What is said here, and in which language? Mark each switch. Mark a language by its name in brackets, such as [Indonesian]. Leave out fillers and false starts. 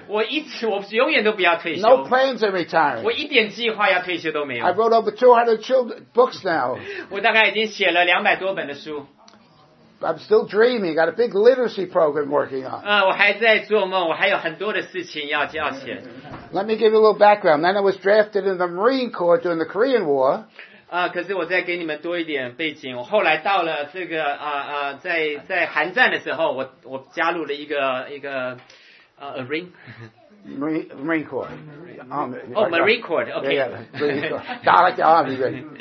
[Chinese] 我永远都不要退休。 [English] No plans of retiring. [Chinese] 我一点计划要退休都没有。 [English] I wrote over 200 children books now. [Chinese] 我大概已经写了200多本的书。 [English] I'm still dreaming. Got a big literacy program working on. [Chinese] 我还在做梦，我还有很多的事情要写。 [English] Let me give you a little background. Then I was drafted in the Marine Corps during the Korean War. [Chinese] 可是我再给你们多一点背景。我后来到了这个在韩战的时候，我加入了一个 [English] Marine Corps. Army, oh, Marine Corps. Okay. Yeah, Marine Corps. Direct Army.